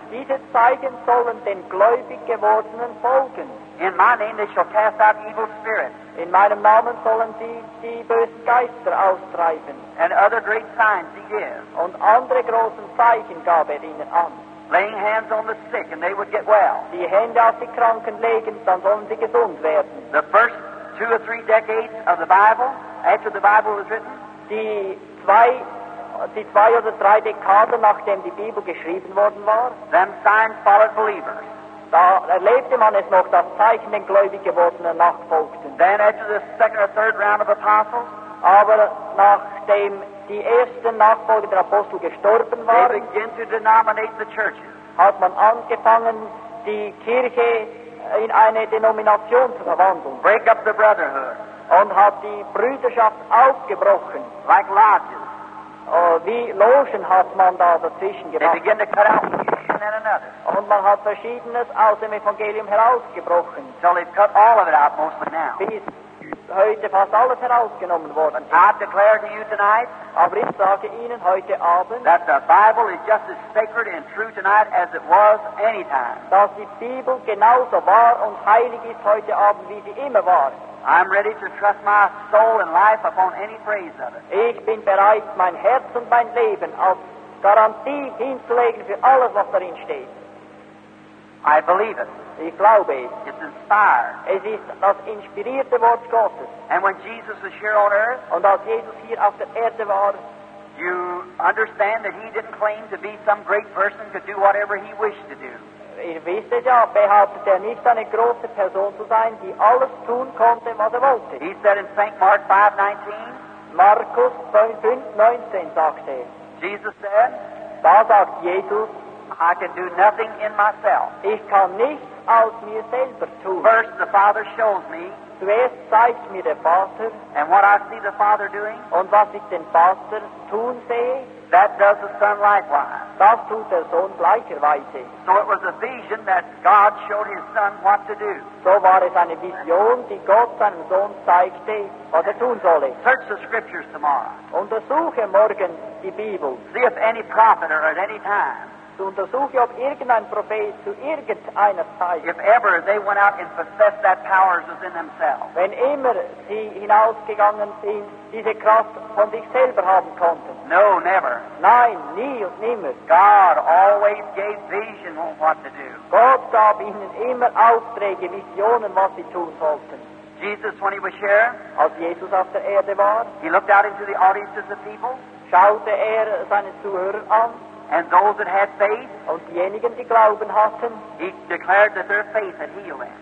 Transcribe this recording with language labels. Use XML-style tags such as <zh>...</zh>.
<de>Diese Zeichen sollen den gläubig gewordenen folgen.</de> <en>In my name they shall cast out evil spirits.</en> <de>In meinem Namen sollen die bösen Geister austreiben.</de> <en>And other great signs he gives.</en> <de>Und andere großen Zeichen gab er ihnen an.</de> <en>Laying hands on the sick and they would get well.</en> <de>Die Hände auf die Kranken legen, dann sollen sie gesund werden.</de> <en>The first two or three decades of the Bible, after the Bible was written.</en> <de>Die zwei oder drei Dekaden, nachdem die Bibel geschrieben worden war.</de> <en>Them signs followed believers.</en> <de>Da erlebte man es noch, dass Zeichen den gläubig gewordenen nachfolgten.</de> <en>Then after the second or third round of apostles.</en> <de>Aber nachdem die ersten Nachfolger der Apostel gestorben waren,</de> <en>they begin to denominate the churches.</en> <de>Hat man angefangen, die Kirche in eine Denomination zu verwandeln.</de> <en>Break up the brotherhood.</en> <de>Und hat die Brüderschaft aufgebrochen.</de> <en>Like lodges.</en> <de>Wie Logen hat man da dazwischen gemacht.</de> <en>They begin to cut out one and then another.</en> <de>Und man hat Verschiedenes aus dem Evangelium herausgebrochen.</de> <en>So they've cut all of it out mostly now.</en> <de>Bis heute fast alles herausgenommen worden.</de> <en>I declare to you tonight,</en> <de>aber ich sage Ihnen heute Abend,</de> <en>that the Bible is just as sacred and true tonight as it was any time.</en> <de>Dass die Bibel genauso wahr und heilig ist heute Abend, wie sie immer war.</de> <en>I'm ready to trust my soul and life upon any phrase of it.</en> <de>Ich bin bereit, mein Herz und mein Leben auf Garantie hinzulegen für alles, was darin steht.</de> <en>I believe it.</en> <de>Ich glaube es.</de> <en>It's inspired.</en> <de>Es ist das inspirierte Wort Gottes.</de> <en>And when Jesus was here on earth,</en> <de>und als Jesus hier auf der Erde war,</de> <en>you understand that he didn't claim to be some great person to do whatever he wished to do.</en> <de>Ihr wisst es ja, behauptet er nicht, eine große Person zu sein, die alles tun konnte, was er wollte.</de> <en>He said in St. Mark 5:19,</en> <de>Markus 5:19 sagte er,</de> <en>Jesus said,</en> <de>da sagt Jesus,</de> <en>I can do nothing in myself.</en> <de>Ich kann nichts aus mir selber tun.</de> <en>First the Father shows me.</en> <de>Zuerst zeigt mir der Vater.</de> <en>And what I see the Father doing.</en> <de>Und was ich den Vater tun sehe.</de> <en>That does the Son likewise.</en> <de>Das tut der Sohn gleicherweise.</de> <en>So it was a vision that God showed his Son what to do.</en> <de>So war es eine Vision, die Gott seinem Sohn zeigte, was er tun solle.</de> <en>Search the scriptures tomorrow.</en> <de>Untersuche morgen die Bibel.</de> <en>See if any prophet or at any time.</en> <de>Untersuche, ob irgendein Prophet zu irgendeiner Zeit,</de> <en>if ever they went out and possessed that power within themselves,</en> <de>wenn immer sie hinausgegangen sind, diese Kraft von sich selber haben konnten.</de> <en>No, never.</en> <de>Nein, nie und nimmer.</de> <en>God always gave vision on what to do.</en> <de>Gott gab ihnen immer Aufträge, Visionen, was sie tun sollten.</de> <en>Jesus, when he was here,</en> <de>als Jesus auf der Erde war,</de> <en>he looked out into the audiences of people,</en> <de>schaute er seine Zuhörer an.</de> <en>And those that had faith,</en> <de>und diejenigen, die Glauben hatten,</de> <en>he declared that their faith had healed them.</en>